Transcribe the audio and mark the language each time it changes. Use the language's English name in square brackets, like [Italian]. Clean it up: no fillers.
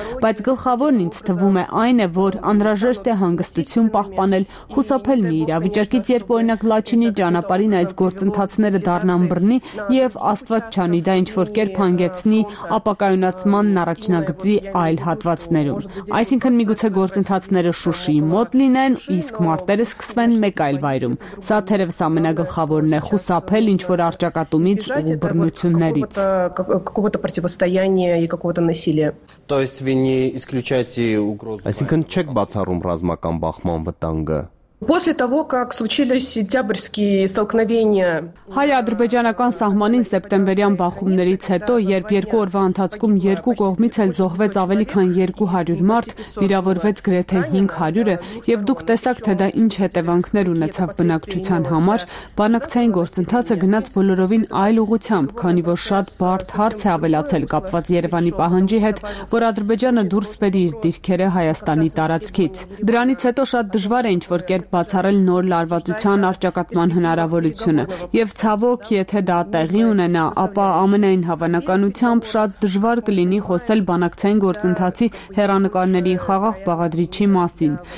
[Armenian] Բայց գլխավորն ինձ թվում է այն է, որ անհրաժեշտ է հանգստություն պահպանել, խուսափել մի իրավիճակից, երբ օրինակ Լաչինի ճանապարհին այս գործընթացները դառնան բռնի եւ աստված չանի, դա ինչ որ կերպ հանգեցնի ապակայունացմանն առաջնագծի այլ հատվածներում։ Այսինքն միգուցե գործընթացները Շուշիի մոտ լինեն, իսկ մարտերը սկսվեն մեկ այլ վայրում։ Սա թերևս ամենագլխավորն է, խուսափել ինչ որ արճակատումից ու բռնություններից։ [Russian] Какого-то противостояния и какого-то насилия. То есть вы не исключаете угрозу. [Armenian] Այսինքն չեք բացառում ռազմական բախման վտանգը։ [Russian] После того, как случились сентябрьские столкновения, [Armenian] հայ-ադրբեջանական սահմանին սեպտեմբերյան բախումներից հետո, երբ երկու օրվա ընթացքում երկու կողմից էլ զոհվեց ավելի քան 200 մարդ, վիրավորվեց գրեթե 500-ը, եւ դուք տեսաք, թե դա ինչ հետևանքներ ունեցավ բնակչության համար, բանակցային գործընթացը գնաց բոլորովին այլ ուղությամբ, քանի որ շատ բարդ հարց է ավելացել կապված Երևանի պահանջի հետ, որ Ադրբեջանը դուրս բերի իր դիրքերը Հայաստանի տարածքից։ Դրանից հետո շատ դժվար է ինչ որ բացառել նոր լարվածության արճակատման հնարավորությունը, եւ ցավոք, եթե դա տեղի ունենա, ապա ամենայն հավանականությամբ շատ դժվար կլինի խոսել բանակցային գործընթացի հերանկարների խաղաղ բաղադրիչի մասին,